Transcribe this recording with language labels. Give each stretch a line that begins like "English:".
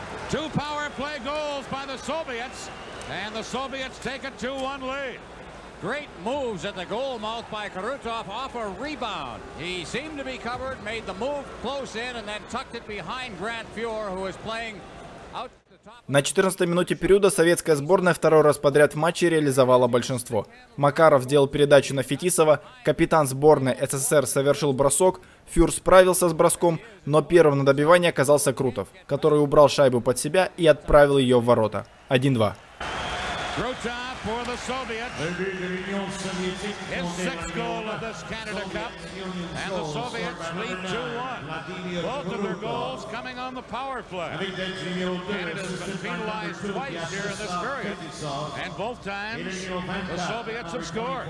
English: Two power play goals by the Soviets, and the Soviets take a 2-1 lead. Great moves at the goal mouth by Krutov off a rebound. He seemed to be covered, made the move close in, and then tucked it behind Grant Fuhr, who was playing
Russian: На 14-й минуте периода советская сборная второй раз подряд в матче реализовала большинство. Макаров сделал передачу на Фетисова, капитан сборной СССР совершил бросок, Фюр справился с броском, но первым на добивание оказался Крутов, который убрал шайбу под себя и отправил ее в ворота. 1-2.
English: For the Soviets, his sixth goal of this Canada Cup, and the Soviets lead 2-1. Both of their goals coming on the power play. Canada's been penalized twice here in this period, and both times the Soviets have scored.